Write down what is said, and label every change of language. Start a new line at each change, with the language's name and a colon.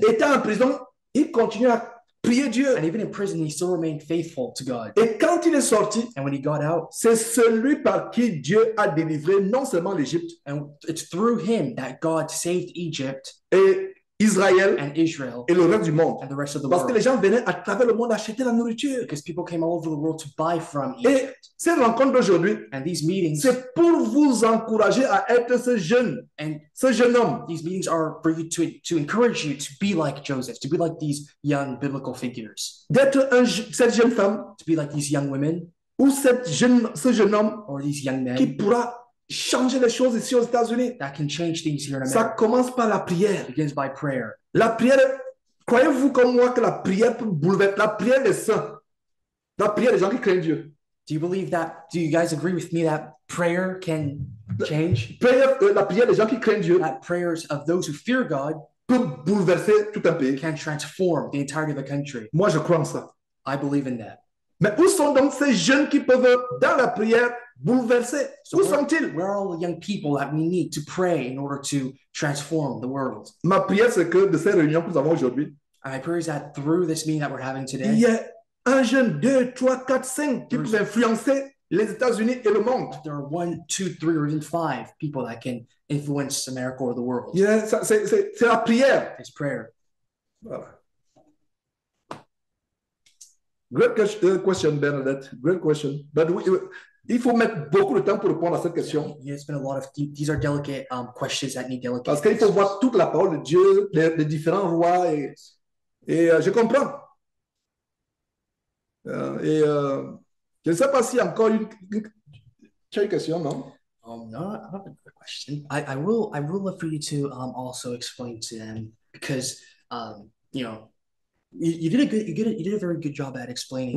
French: Étant en prison, il continuait à prier Dieu.
English: And even in prison, he still remained faithful to God.
French: Et quand il est sorti,
English: and when he got out,
French: c'est celui par qui Dieu a délivré non seulement l'Égypte,
English: and it's through him that God saved Egypt,
French: et Israël,
English: and Israel,
French: et le reste du monde,
English: and the rest of the
French: parce Parce que les gens venaient à travers le monde acheter la nourriture.
English: Because people came all over the world to buy from Egypt.
French: Et ces rencontres d'aujourd'hui,
English: and these meetings,
French: c'est pour vous encourager à être ce jeune,
English: and
French: ce jeune homme.
English: These meetings are for you to encourage you to be like Joseph, to be like these young biblical figures.
French: D'être un, cette jeune femme,
English: to be like these young women,
French: ou cette jeune, ce jeune homme,
English: or these young men,
French: qui pourra changer les choses ici aux États-Unis.
English: That can change things here in America.
French: Ça commence par la prière.
English: It begins by prayer.
French: La prière, croyez-vous comme moi que la prière peut bouleverser, la prière des saints, la prière des gens qui craignent Dieu.
English: Do you believe that? Do you guys agree with me that prayer can change?
French: La prière des gens qui craignent Dieu.
English: That prayers of those who fear God
French: peut bouleverser tout un pays.
English: Can transform the entirety of the country.
French: Moi, je crois en ça.
English: I believe in that.
French: Mais où sont donc ces jeunes qui peuvent dans la prière bouleverser?
English: So
French: où sont-ils?
English: Where are all the young people that we need to pray in order to transform the world?
French: Ma prière c'est que de ces réunions que nous avons aujourd'hui,
English: and my prayer is that through this meeting that we're having today,
French: il y a un jeune, deux, trois, quatre, cinq qui peut influencer les États-Unis et le monde.
English: There are one, two, three, or even five people that can influence America or the world.
French: Yeah, ça, c'est la prière.
English: It's prayer.
French: Voilà.
English: Great question, Bernadette. Great question. But
French: il faut mettre beaucoup de temps pour répondre à cette question.
English: Yeah, it's been a lot of these are delicate questions that need delicate.
French: Parce qu'il faut voir toute la parole de Dieu, les différents rois et je comprends. Je ne sais pas si encore une question, non?
English: No, I have another question. I will love for you to also explain to them because you know. You did a very good job at explaining.